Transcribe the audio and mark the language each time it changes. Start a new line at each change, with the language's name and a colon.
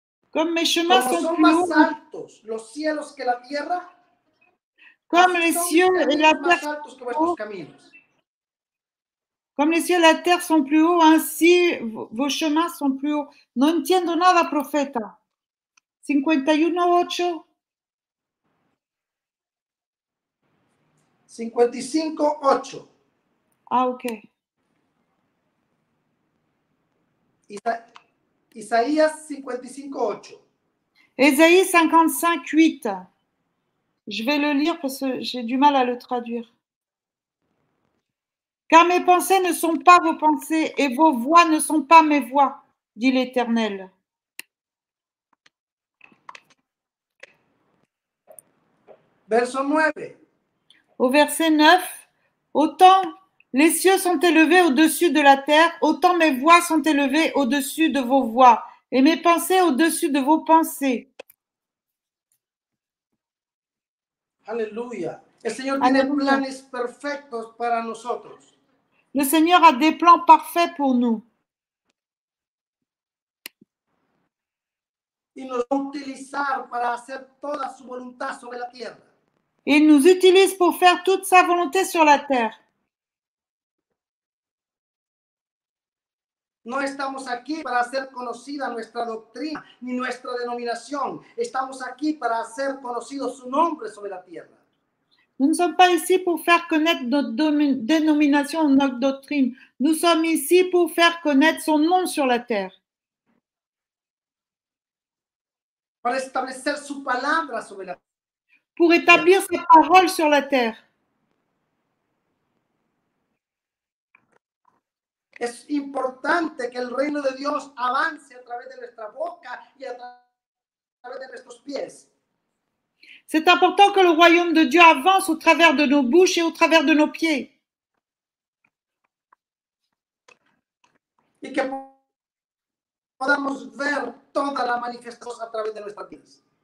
French: Comme mes chemins
Spanish: como
French: sont plus hauts.
Spanish: Altos, los cielos que la tierra,
French: comme les cieux et la terre. Comme les cieux et la terre sont plus hauts, ainsi vos chemins sont plus hauts.
Spanish: No entiendo nada, profeta. 51:8. 55:8. Ah, ok. Isaías 55:8.
French: Ésaïe 55:8. Je vais le lire parce que j'ai du mal à le traduire. Car mes pensées ne sont pas vos pensées et vos voix ne sont pas mes voix, dit l'Éternel. Verset 9. Autant les cieux sont élevés au-dessus de la terre, autant mes voix sont élevées au-dessus de vos voix et mes pensées au-dessus de vos pensées. Alléluia.
Spanish: El Señor tiene planes perfectos para nosotros.
French: Le Seigneur a des plans parfaits pour nous.
Spanish: Y nos utiliza para hacer toda su voluntad sobre la tierra.
French: Il nous utilise pour faire toute sa volonté sur la terre.
Spanish: No estamos aquí para hacer conocida nuestra doctrina ni nuestra denominación. Estamos aquí para hacer conocido su nombre sobre la tierra.
French: Nous ne sommes pas ici pour faire connaître notre dénomination, notre doctrine. Nous sommes ici pour faire connaître son nom sur la terre.
Spanish: Para establecer su palabra sobre la tierra.
French: Pour établir ses paroles sur la terre.
Spanish: Es importante que el reino de Dios avance a través de nuestra boca y a través de nuestros pies.
French: C'est important que le royaume de Dieu avance au travers de nos bouches et au travers de nos pieds.
Spanish: Y que podamos ver toda la manifestación a través de nuestras vidas.